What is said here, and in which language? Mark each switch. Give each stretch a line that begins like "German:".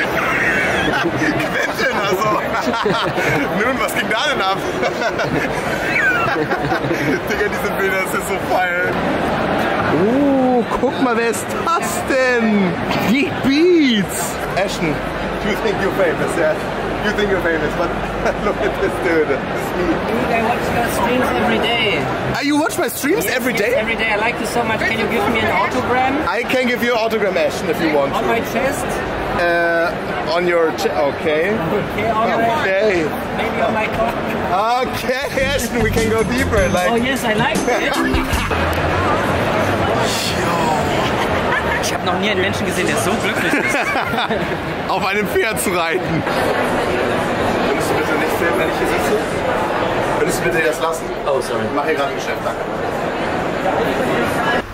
German: Quentin, also. Nun, was ging da denn ab? Digga, diese Bilder, das ist so feil. Guck mal, wer ist das denn? Die Beats.
English: Ashton, you think you're famous, yeah? You think you're famous, but look at this dude. Dude, I watch your streams every day. You watch my streams every day? Yes, every day. I like you so much. Can you give me an autogram? I can give you an autogram, Ashton, if you want to. On my chest? On your chest, okay. Okay, on your chest. Maybe on my cock. Okay, Ashton, we can go deeper. Like. Oh, yes, I like it.
German: Ich habe noch nie einen Menschen gesehen, der so glücklich ist. Auf einem Pferd zu reiten. Würdest du bitte nicht filmen, wenn ich hier sitze? Würdest du bitte das lassen?
English: Oh, sorry.
German: Ich mache hier gerade ein Geschäft, danke.